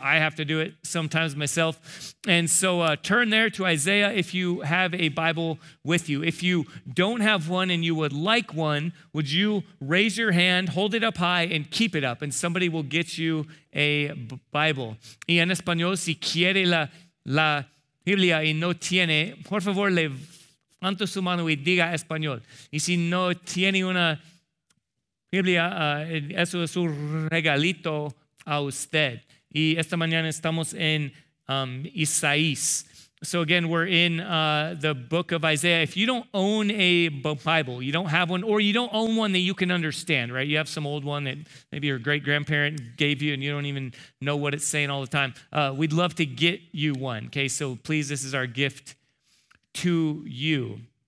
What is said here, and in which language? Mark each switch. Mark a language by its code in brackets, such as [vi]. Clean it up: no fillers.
[en] I have to do it sometimes myself. And so turn there to Isaiah if you have a Bible with you. If you don't have one and you would like one, would you raise your hand, hold it up high, and keep it up, and somebody will get you a Bible. [es] Y en español, si quiere la Biblia y no tiene, por favor, levanta su mano y diga español. Y si no tiene una Biblia, eso es un regalito a usted. Y esta mañana estamos en Isaías. [en] So again, we're in the book of Isaiah. If you don't own a Bible, you don't have one, or you don't own one that you can understand, right? You have some old one that maybe your great-grandparent gave you and you don't even know what it's saying all the time. We'd love to get you one, okay? So please, this is our gift to you.